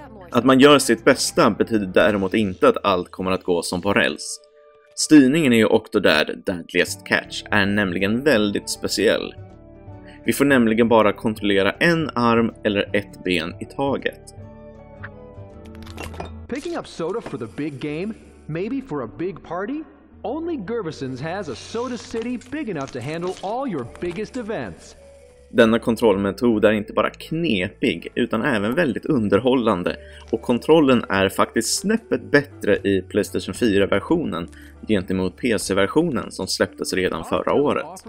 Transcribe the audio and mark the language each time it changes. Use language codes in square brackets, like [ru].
[sv] Att man gör sitt bästa betyder däremot inte att allt kommer att gå som på räls. Styrningen i Octodad Deadliest Catch är nämligen väldigt speciell. Vi får nämligen bara kontrollera en arm eller ett ben i taget. [en] Picking up soda for the big game, maybe for a big party? Only Gervison's has a soda city big enough to handle all your biggest events. [sv] Denna kontrollmetod är inte bara knepig utan även väldigt underhållande, och kontrollen är faktiskt snäppet bättre i PlayStation 4-versionen gentemot PC-versionen som släpptes redan förra året.